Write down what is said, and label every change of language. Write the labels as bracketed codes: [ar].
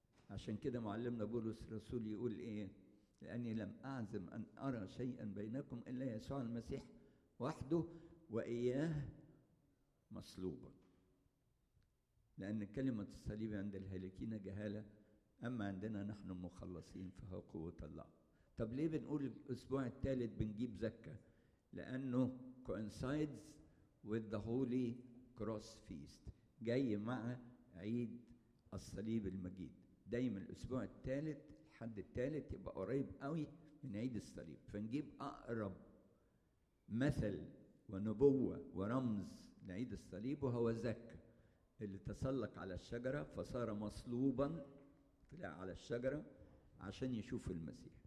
[ar] عشان كده معلمنا بولس الرسول يقول إيه؟ لأني لم أعزم أن أرى شيئا بينكم إلا يسوع المسيح وحده وإياه مصلوبا. لأن كلمة الصليب عند الهلكين جهالة، أما عندنا نحن المخلصين فهو قوة الله. طب ليه بنقول الأسبوع الثالث بنجيب زكاة؟ لأنه [en] coincides with the Holy Cross Feast. [ar] جاي مع عيد الصليب المجيد. دايما الأسبوع الثالث الحد الثالث يبقى قريب قوي من عيد الصليب. فنجيب أقرب مثل ونبوة ورمز لعيد الصليب وهو زك اللي تسلق على الشجرة فصار مصلوبا طلع على الشجرة عشان يشوف المسيح.